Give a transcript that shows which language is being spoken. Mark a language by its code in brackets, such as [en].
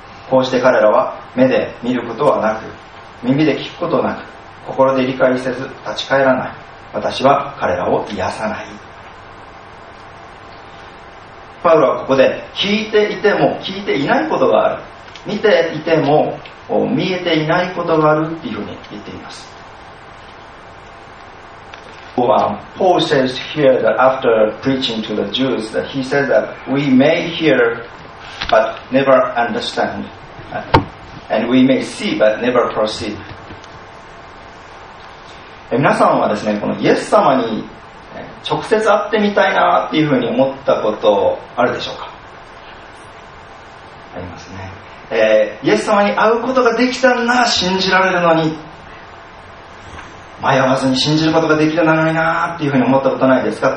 [ja] こうして彼らは目で見ることはなく、耳で聞くことなく、心で理解せず立ち返らない。私は彼らを癒さない。パウロはここで、聞いていても聞いていないことがある、見ていても見えていないことがあるっていうふうに言っています。 [en] Paul says here that after preaching to the Jews that he says that we may hear but never understand and we may see but never perceive。 [ja] 皆さんはですね、このイエス様に直接会ってみたいなっていうふうに思ったことあるでしょうか？ありますね。イエス様に会うことができたなら信じられるのに、迷わずに信じることができるのになっていうふうに思ったことないですか？